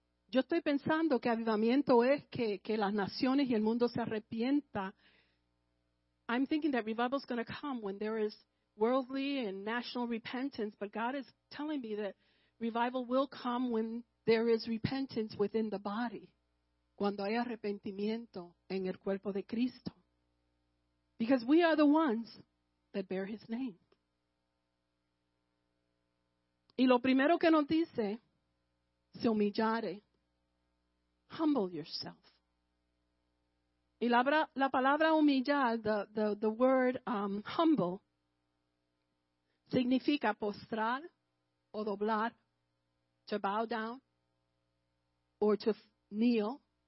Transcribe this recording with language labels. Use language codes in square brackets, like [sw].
[es] Yo estoy pensando que avivamiento es que las naciones y el mundo se arrepienta. [en] I'm thinking that revival is going to come when there is worldly and national repentance, but God is telling me that revival will come when there is repentance within the body. [es] Cuando hay arrepentimiento en el cuerpo de Cristo. [en] Because we are the ones that bear his name. [es] Y lo primero que nos dice, se humillare. [en] Humble yourself. [es] Y la palabra humillar, [en] the word humble, [es] significa postrar o doblar, [en] to bow down, or to kneel.